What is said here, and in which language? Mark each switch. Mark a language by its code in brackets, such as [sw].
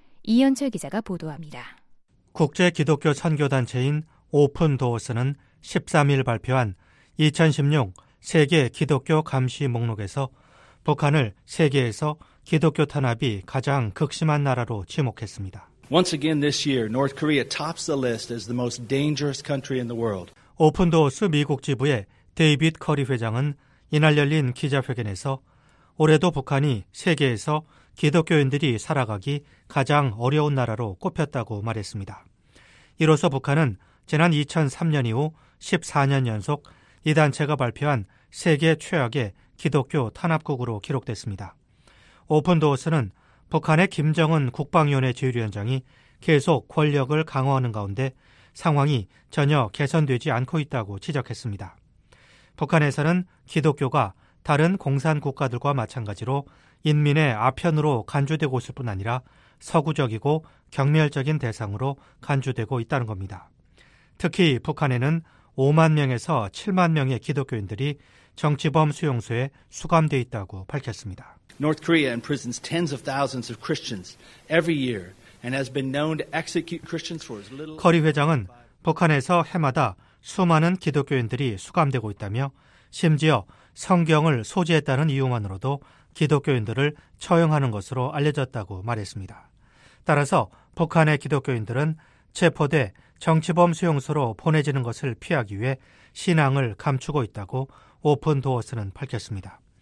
[ko] 이현철 기자가 보도합니다. 국제기독교 선교단체인 오픈도어스는 13일 발표한 2016 세계 기독교 감시 목록에서 북한을 세계에서 기독교 탄압이 가장 극심한 나라로 지목했습니다. [en] Once again this year, North Korea tops the list as the most dangerous country in the world. [ko] 오픈도어스 미국 지부의 데이빗 커리 회장은 이날 열린 기자회견에서 올해도 북한이 세계에서 기독교인들이 살아가기 가장 어려운 나라로 꼽혔다고 말했습니다. 이로써 북한은 지난 2003년 이후 14년 연속 이 단체가 발표한 세계 최악의 기독교 탄압국으로 기록됐습니다. 오픈도어스는 북한의 김정은 국방위원회 지휘위원장이 계속 권력을 강화하는 가운데 상황이 전혀 개선되지 않고 있다고 지적했습니다. 북한에서는 기독교가 다른 공산국가들과 마찬가지로 인민의 아편으로 간주되고 있을 뿐 아니라 서구적이고 경멸적인 대상으로 간주되고 있다는 겁니다. 특히 북한에는 5만 명에서 7만 명의 기독교인들이 정치범 수용소에 수감돼 있다고 밝혔습니다. [en] North Korea imprisons tens of thousands of Christians every year and has been known to execute Christians for as little. [ko] 커리 회장은 북한에서 해마다 수많은 기독교인들이 수감되고 있다며 심지어 성경을 소지했다는 이유만으로도 기독교인들을 처형하는 것으로 알려졌다고 말했습니다. 따라서 북한의 기독교인들은 체포돼 정치범 수용소로 보내지는 것을 피하기 위해 신앙을 감추고 있다고 오픈도어스는 밝혔습니다.